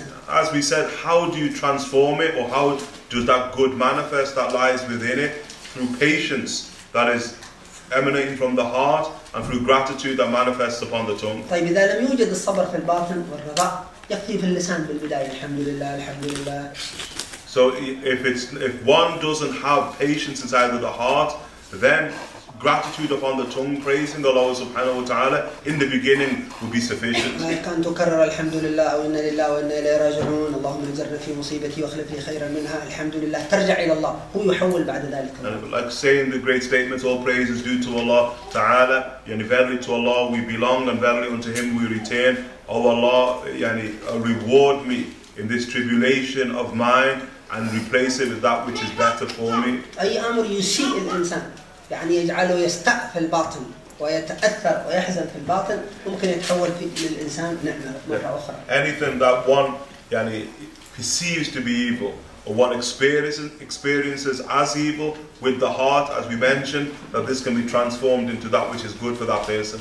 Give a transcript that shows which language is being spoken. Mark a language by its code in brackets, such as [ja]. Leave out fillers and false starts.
[en] As we said, how do you transform it, or how does that good manifest that lies within it? Through patience that is emanating from the heart, and through gratitude that manifests upon the tongue. [ar] طيب إذا لم يوجد الصبر في الباطن والرضا يكفي في اللسان بالبداية الحمد لله الحمد لله. [en] So if one doesn't have patience inside of the heart, then gratitude upon the tongue, praising the Allah Subhanahu wa Taala, in the beginning will be sufficient. [ar] ما كان تكرر الحمد لله وإن لله وإن إليه راجعون اللهم اجر في مصيبتي واخلف لي خيرا منها الحمد لله ترجع إلى الله هو يحول بعد ذلك. [en] Like saying the great statements, all praise is due to Allah Taala. [ar] يعني [en] verily to Allah we belong and verily unto Him we return. Oh Allah, [ar] يعني [en] reward me in this tribulation of mine and replace it with that which is better for me. [ar] أي أمر يسيء الإنسان يعني يجعله يستأ في الباطن ويتأثر ويحزن في الباطن ممكن يتحول في للإنسان نعمة مرة أخرى. [en] Anything that one [ar] يعني [en] perceives to be evil or one experiences as evil with the heart, as we mentioned, that this can be transformed into that which is good for that person.